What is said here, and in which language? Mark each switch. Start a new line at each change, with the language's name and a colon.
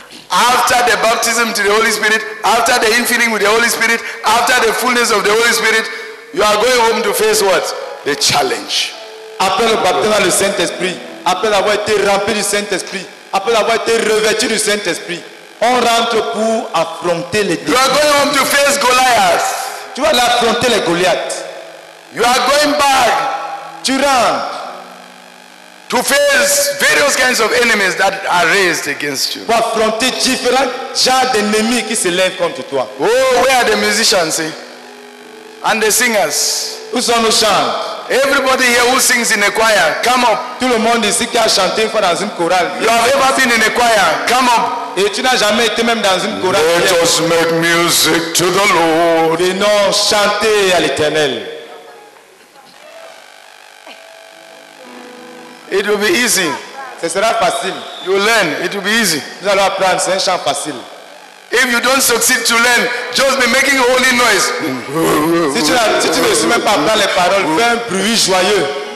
English: after the baptism to the Holy Spirit, after the infilling with the Holy Spirit, after the fullness of the Holy Spirit, you are going home to face what? The challenge.
French: Après le baptême dans le Saint-Esprit, après avoir été rempli du Saint-Esprit, après avoir été revêtu du Saint-Esprit, on rentre pour affronter les défis.
English: You are going home to face Goliath.
French: Tu vas affronter les Goliath.
English: You are going back.
French: Tu rentres.
English: To face various kinds of enemies that are raised against you.
French: Pour affronter différents genres d'ennemis qui se lèvent contre toi.
English: Oh, where are the musicians, eh? And the singers.
French: Où sont nos chants?
English: Everybody here who sings in a choir, come up.
French: Tout le monde ici qui a chanté une fois dans une chorale.
English: You have ever been in a choir, come up.
French: Et tu n'as jamais été même dans une chorale.
English: Let us make music to the Lord.
French: Venons chanter à l'Éternel.
English: It will be easy.
French: Ce sera facile.
English: You learn, it will be easy.
French: Vous allez apprendre, c'est un chant facile.
English: If you don't succeed to learn, just be making holy noise.
French: Si tu ne suis même pas dans les paroles, fais un bruit joyeux.